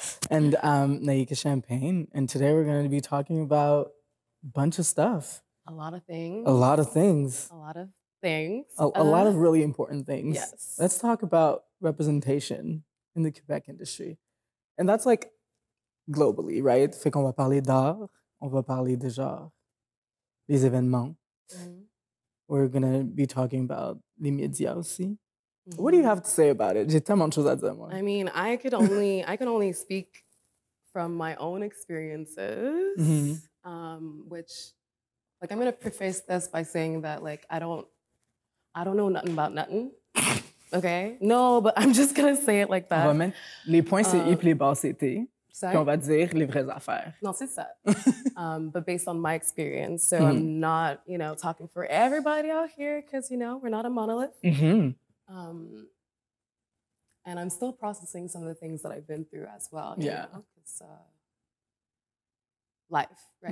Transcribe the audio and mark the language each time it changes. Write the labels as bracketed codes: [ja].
[en] And Naika Champagne. And today we're going to be talking about a bunch of stuff. A lot of things. A lot of things. A lot of things. A lot of really important things. Yes. Let's talk about representation in the Quebec industry. And that's like globally, right? [fr] Fait qu'on va parler d'art, on va parler de genre, les événements. [en] Mm-hmm. We're going to be talking about [fr] les médias aussi. [en] What do you have to say about it? [fr] J'ai tellement de choses à dire, moi. [en] I mean, I can only speak from my own experiences, mm-hmm. Which, like, I'm going to preface this by saying that, like, I don't know nothing about nothing. Okay? No, but I'm just going to say it like that. [fr] On va mettre les points sur I et les bas sur T, puis on va dire les vraies affaires. Non, c'est ça. [en] but based on my experience, so mm-hmm. I'm not, you know, talking for everybody out here, because, you know, we're not a monolith. Mm-hmm. And I'm still processing some of the things that I've been through as well. Yeah. It's life, right?